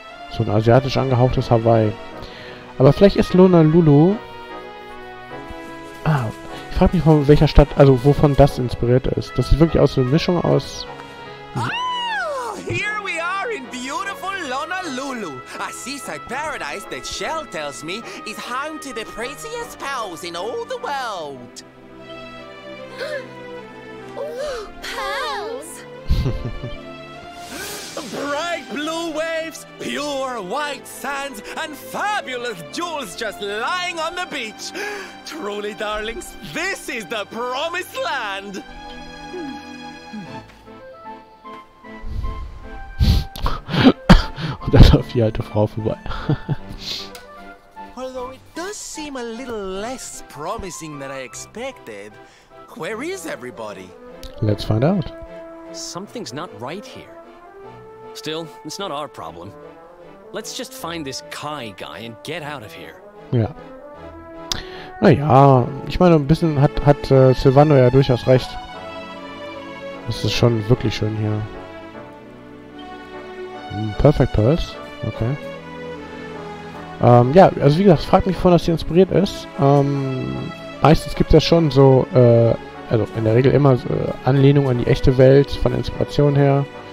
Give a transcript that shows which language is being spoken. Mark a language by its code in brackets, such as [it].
[de] So ein asiatisch angehauchtes Hawaii. Aber vielleicht ist Lonalulu. Ah, ich frage mich, von welcher Stadt, also wovon das inspiriert ist. Das ist wirklich aus so eine Mischung aus. [en] Ah, here we are in beautiful Lonalulu. A seaside paradise that Shell tells me is home to the prettiest pals in all the world. Ooh, pals! Bright blue waves, pure white sands, and fabulous jewels just lying on the beach. Truly, darlings, this is the promised land. [de] Und da läuft die alte Frau vorbei. [en] Although it does seem a little less promising than I expected, where is everybody? Let's find out. Something's not right here. Still, it's not our problem. Let's just find this Kai guy and get out of here. [de] Ja. Naja, ich meine, ein bisschen hat Silvano ja durchaus recht. Es ist schon wirklich schön hier. Perfect Pulse. Okay. Ja, also wie gesagt, fragt mich vor, dass sie inspiriert ist. Meistens gibt es ja schon so, also in der Regel immer so Anlehnung an die echte Welt von Inspiration her.